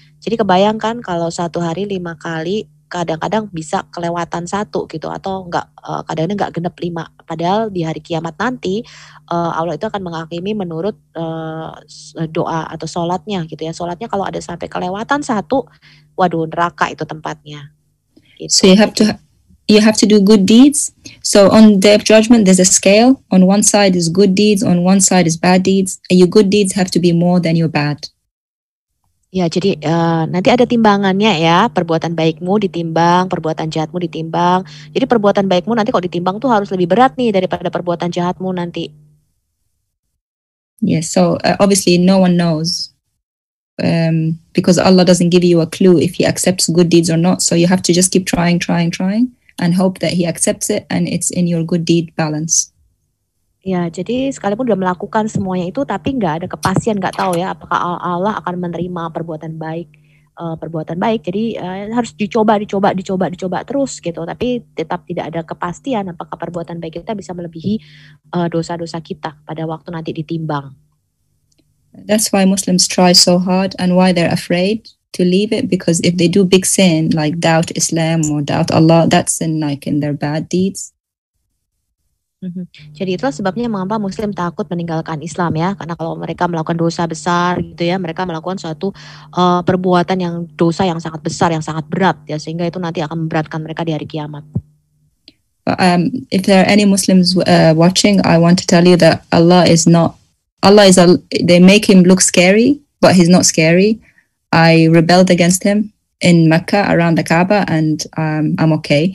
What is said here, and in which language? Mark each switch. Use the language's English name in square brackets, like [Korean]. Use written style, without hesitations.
[Indonesian] Jadi kebayangkan kalau 1 hari 5 kali kadang-kadang bisa kelewatan 1 gitu, atau enggak, kadang-kadang enggak genep 5, padahal di hari kiamat nanti Allah itu akan menghakimi menurut doa atau sholatnya gitu ya. Sholatnya kalau ada sampai kelewatan 1, waduh, neraka itu tempatnya [English] gitu. So you have to do good deeds. So on Day of Judgment there's a scale. On one side is good deeds, on one side is bad deeds, and your good deeds have to be more than your bad. [Indonesian] Ya, jadi nanti ada timbangannya ya, perbuatan baikmu ditimbang, perbuatan jahatmu ditimbang. Jadi perbuatan baikmu nanti kalau ditimbang tuh harus lebih berat nih daripada perbuatan jahatmu nanti. [English] Yes, so obviously no one knows, because Allah doesn't give you a clue if He accepts good deeds or not. So you have to just keep trying, and hope that He accepts it and it's in your good deed balance. [Indonesian] Ya, jadi sekalipun sudah melakukan semuanya itu, tapi nggak ada kepastian, nggak tahu ya apakah Allah akan menerima perbuatan baik. Jadi harus dicoba terus gitu. Tapi tetap tidak ada kepastian apakah perbuatan baik kita bisa melebihi dosa-dosa kita pada waktu nanti ditimbang. [English] That's why Muslims try so hard and why they're afraid to leave it, because if they do big sin like doubt Islam or doubt Allah, that's sin like in their bad deeds. Jadi itulah sebabnya mengapa Muslim takut meninggalkan Islam ya, karena kalau mereka melakukan dosa besar gitu ya, mereka melakukan suatu perbuatan yang dosa yang sangat besar, yang sangat berat ya, sehingga itu nanti akan memberatkan mereka di hari kiamat. If there are any Muslims watching, I want to tell you that they make him look scary, but he's not scary. I rebelled against him in Mecca around the Kaaba, and I'm okay.